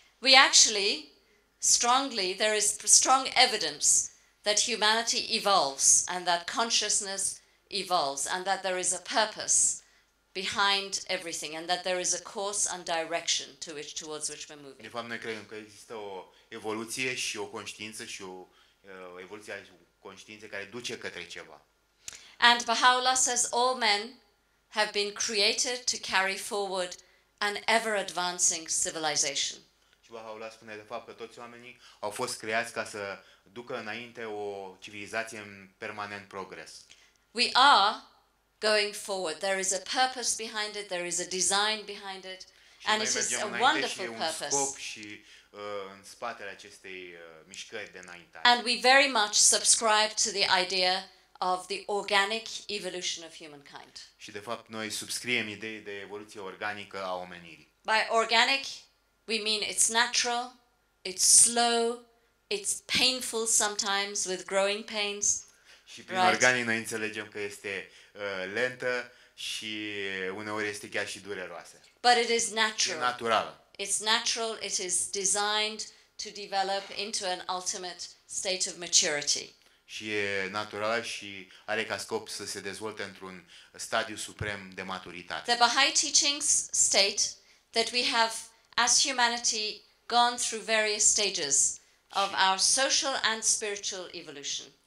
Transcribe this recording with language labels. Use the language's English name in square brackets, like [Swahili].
[English] We actually strongly there is strong evidence that humanity evolves and that consciousness evolves and that there is a purpose behind everything and that there is a course and direction to which towards which we're moving. [Romanian] De fapt, noi credem că există o evoluție și o conștiință și o evoluția conștiinței care duce către ceva. [English] And Baha'u'llah says all men have been created to carry forward an ever advancing civilization. [Romanian] Și Baha'u'llah spune de fapt că toți oamenii au fost creați ca să ducă înainte o civilizație în permanent progres. [English] We are going forward. There is a purpose behind it, there is a design behind it, and it is a wonderful purpose. [Romanian] În spatele acestei mișcări de înaintare. [English] And we very much subscribe to the idea of the organic evolution of humankind. [Romanian] Și de fapt noi subscriem ideea de evoluție organică a omenirii. [English] By organic we mean it's natural, it's slow, it's painful sometimes with growing pains. [Romanian] Și prin organic noi înțelegem că este lentă și uneori este chiar și dureroasă. [English] But it is natural. [Romanian] E naturală. [English] It's natural, it is designed to develop into an ultimate state of maturity. [Romanian] Și e naturală și are ca scop să se dezvolte într-un stadiu suprem de maturitate. [English] The Baha'i teachings state that we have, as humanity, gone through various stages of our social and spiritual evolution.